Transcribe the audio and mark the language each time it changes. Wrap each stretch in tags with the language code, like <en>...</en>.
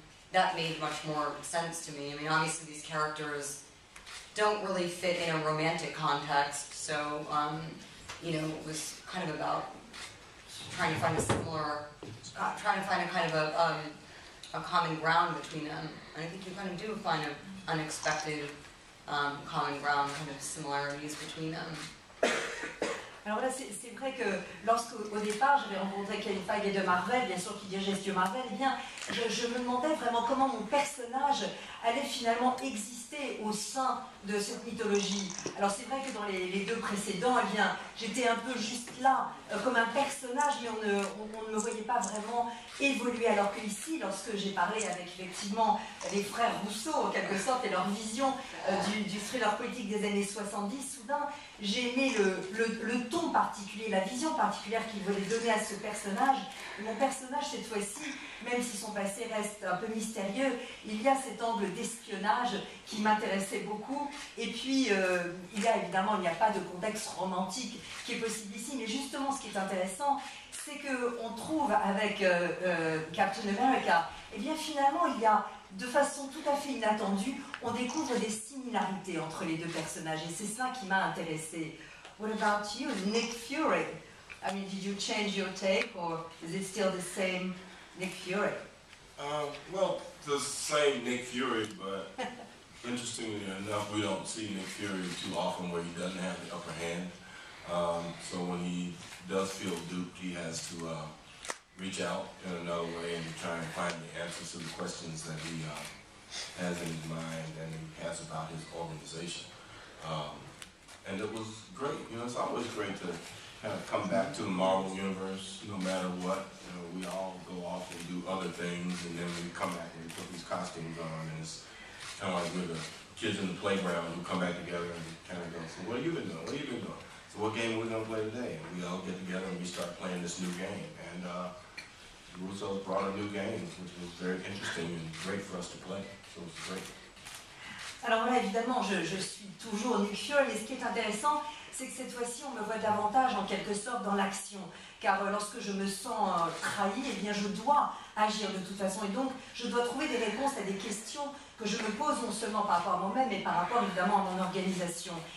<en>That made much more sense to me. I mean, obviously these characters don't really fit in a romantic context, so, you know, it was kind of about trying to find a common ground between them. And I think you kind of do find an unexpected common ground, kind of similarities between them.</en> <fr>Alors là, c'est vrai que lorsqu'au départ, j'avais rencontré Kevin Feige de Marvel, bien sûr qu'il dirigeait Studio Marvel, eh bien, je me demandais vraiment comment mon personnage allait finalement exister au sein de cette mythologie. Alors c'est vrai que dans les deux précédents, eh bien, j'étais un peu juste là, comme un personnage, mais on ne me voyait pas vraiment évoluer. Alors que ici, lorsque j'ai parlé avec effectivement les frères Russo, en quelque sorte, et leur vision du thriller politique des années 70, soudain, j'ai aimé le ton particulier, la vision particulière qu'il voulait donner à ce personnage. Mon personnage, cette fois-ci, même si son passé reste un peu mystérieux, il y a cet angle d'espionnage qui m'intéressait beaucoup. Et puis, il n'y a pas de contexte romantique qui est possible ici. Mais justement, ce qui est intéressant, c'est qu'on trouve avec Captain America, eh bien finalement, il y a, de façon tout à fait inattendue, on découvre des similarités entre les deux personnages. Et c'est ça qui m'a intéressée.</fr> <en>What about you, Nick Fury? I mean, did you change your take, or is it still the same Nick Fury? Well, the same Nick Fury, but interestingly enough, we don't see Nick Fury too often where he doesn't have the upper hand. So when he does feel duped, he has to reach out in another way and try and find the answers to the questions that he has in his mind and he has about his organization. And it was great. You know, it's always great to kind of come back to the Marvel Universe, no matter what. You know, we all go off and do other things, and then we come back and put these costumes on, and it's kind of like we're the kids in the playground who come back together and kind of go, so what have you been doing? What have you been doing? So what game are we going to play today? And we all get together and we start playing this new game. And Russo brought a new game, which was very interesting and great for us to play. So it was great.</en> <fr>Alors là, évidemment, je suis toujours Nick Fury, et ce qui est intéressant, c'est que cette fois-ci, on me voit davantage, en quelque sorte, dans l'action. Car lorsque je me sens trahi, eh bien, je dois agir de toute façon. Et donc, je dois trouver des réponses à des questions que je me pose, non seulement par rapport à moi-même, mais par rapport, évidemment, à mon organisation.</fr>